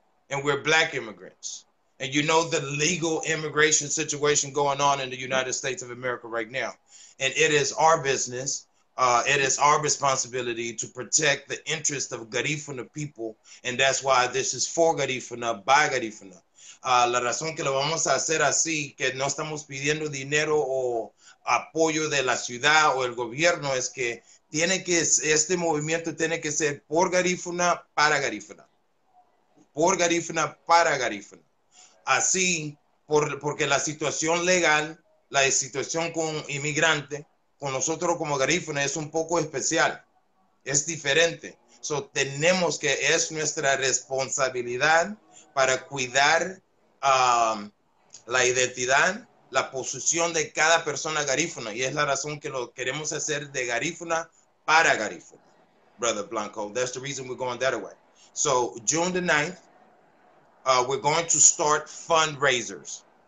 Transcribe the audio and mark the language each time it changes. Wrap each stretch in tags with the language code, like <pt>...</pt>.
<en>And we're black immigrants. And you know the legal immigration situation going on in the United States of America right now. And it is our business, it is our responsibility to protect the interest of Garifuna people. And that's why this is for Garifuna, by Garifuna.</en> <es>La razón que lo vamos a hacer así, que no estamos pidiendo dinero o apoyo de la ciudad o el gobierno, es que tiene que este movimiento tiene que ser por Garifuna, para Garifuna. Por Garifuna, para Garifuna. Así, porque la situación legal, la situación con inmigrante, con nosotros como Garifuna, es un poco especial. Es diferente. So, tenemos que, es nuestra responsabilidad para cuidar la identidad, la posición de cada persona Garifuna. Y es la razón que lo queremos hacer de Garifuna para Garifuna.</es> <en>Brother Blanco, that's the reason we're going that way. So, June the 9th, we're going to start fundraisers.</en>